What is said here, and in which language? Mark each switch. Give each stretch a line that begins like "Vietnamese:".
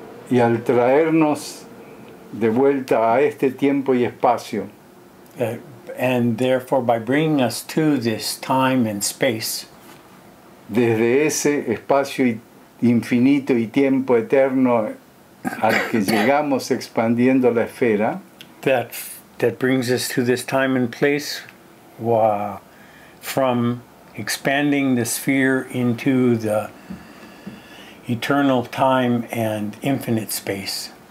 Spanish: Y al traernos de vuelta a este tiempo y espacio.
English: and therefore by bringing us to this time and space,
Spanish: desde ese espacio infinito y tiempo eterno al que llegamos expandiendo la esfera,
English: that brings us to this time and place, wow, from expanding the sphere into the eternal time and infinite space.